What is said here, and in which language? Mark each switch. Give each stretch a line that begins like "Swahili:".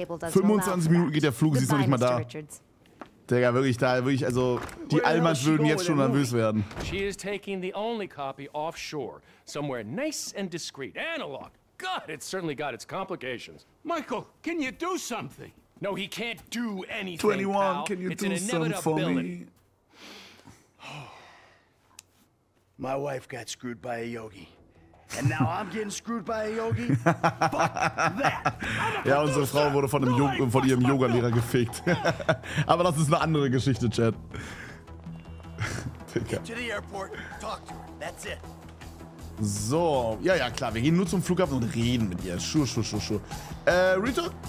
German: 25 Minuten geht der Flug, sie ist noch nicht mal da. Digga, wirklich, da wirklich, also die Almans würden jetzt schon nervös werden.
English: She is taking the only copy offshore, somewhere nice and discreet. Analog. God, it's certainly got its complications. Michael, can you do something? No, he can't do anything. 21, pal. Can you it's do some for me? My wife got screwed by a yogi. And now I'm getting screwed by a yogi? Fuck that!
German: Ja, unsere Frau wurde von, von ihrem Yoga-Lehrer gefickt. Aber das ist eine andere Geschichte, Chad.
English: Get to the airport, talk to her. That's it.
German: So, ja, ja, klar. Wir gehen nur zum Flughafen und reden mit ihr. Sure. Rita?